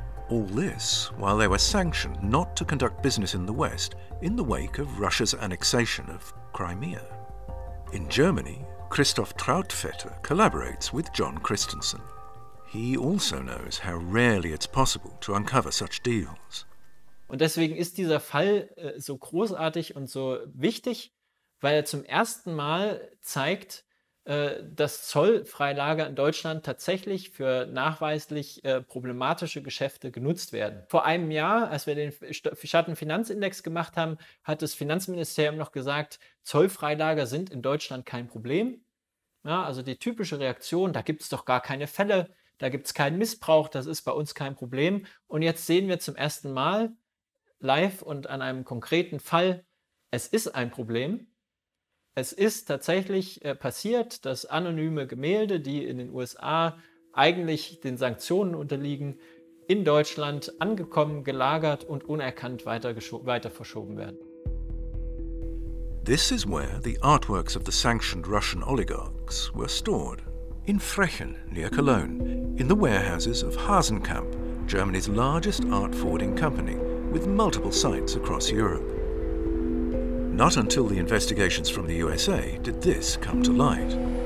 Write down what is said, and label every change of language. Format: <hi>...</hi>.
<en>All this while they were sanctioned not to conduct business in the West in the wake of Russia's annexation of Crimea. In Germany, Christoph Trautvetter collaborates with John Christensen. He also knows how rarely it's possible to uncover such deals.</en> <de>Und deswegen ist dieser Fall so großartig und so wichtig, weil zum ersten Mal zeigt, dass Zollfreilager in Deutschland tatsächlich für nachweislich problematische Geschäfte genutzt werden. Vor einem Jahr, als wir den Schattenfinanzindex gemacht haben, hat das Finanzministerium noch gesagt, Zollfreilager sind in Deutschland kein Problem. Ja, also die typische Reaktion, da gibt es doch gar keine Fälle, da gibt es keinen Missbrauch, das ist bei uns kein Problem. Und jetzt sehen wir zum ersten Mal live und an einem konkreten Fall, es ist ein Problem. Es ist tatsächlich passiert, dass anonyme Gemälde, die in den USA eigentlich den Sanktionen unterliegen, in Deutschland angekommen, gelagert und unerkannt weiter verschoben werden.</de> <en>This is where the artworks of the sanctioned Russian oligarchs were stored, in Frechen near Cologne, in the warehouses of Hasenkamp, Germany's largest art forwarding company, with multiple sites across Europe. Not until the investigations from the USA did this come to light.</en>